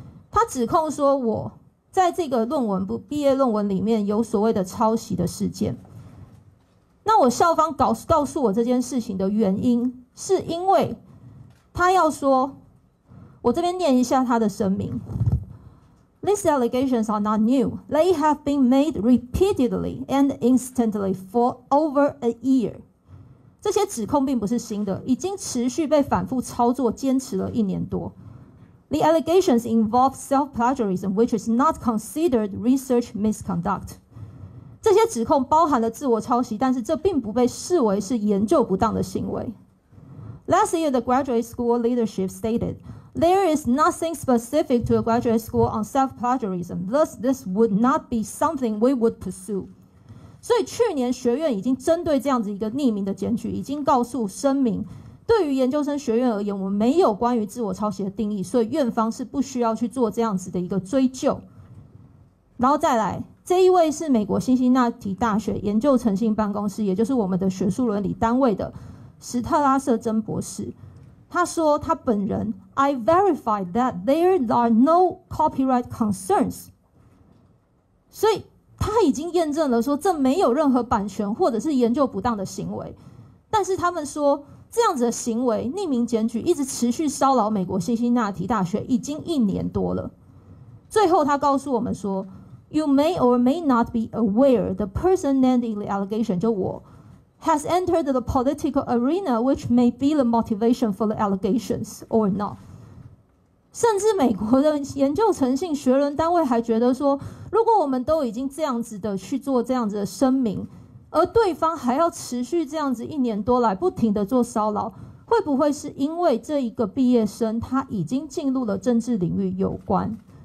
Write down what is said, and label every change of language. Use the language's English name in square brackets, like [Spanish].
[Chinese] 他指控说我在这个论文不毕业论文里面有所谓的抄袭的事件。那我校方告诉我这件事情的原因，是因为他要说，我这边念一下他的声明。 [English] These allegations are not new. They have been made repeatedly and instantly for over a year. [Chinese] 这些指控并不是新的，已经持续被反复操作，坚持了一年多。 [English] The allegations involve self-plagiarism, which is not considered research misconduct. [Chinese] 这些指控包含了自我抄袭，但是这并不被视为是研究不当的行为。 [English] Last year, the graduate school leadership stated,There is nothing specific to a graduate school on self-plagiarism, thus this would not be something we would pursue. [Chinese] 所以去年学院已经针对这样子一个匿名的检举，已经告诉声明，对于研究生学院而言，我们没有关于自我抄袭的定义，所以院方是不需要去做这样子的一个追究。然后再来，这一位是美国辛辛那提大学研究诚信办公室，也就是我们的学术伦理单位的史特拉瑟珍博士。他说他本人 [English] I verified that there are no copyright concerns. [Chinese] 所以他已经验证了说这没有任何版权或者是研究不当的行为，但是他们说这样子的行为匿名检举一直持续骚扰美国辛辛那提大学已经一年多了。最后他告诉我们说， [English] You may or may not be aware the person named in the allegation, [Chinese] 就我, [English] has entered the political arena, which may be the motivation for the allegations or not. [Chinese] 甚至美国的研究诚信学人单位还觉得说，如果我们都已经这样子的去做这样子的声明，而对方还要持续这样子一年多来不停的做骚扰，会不会是因为这一个毕业生他已经进入了政治领域有关？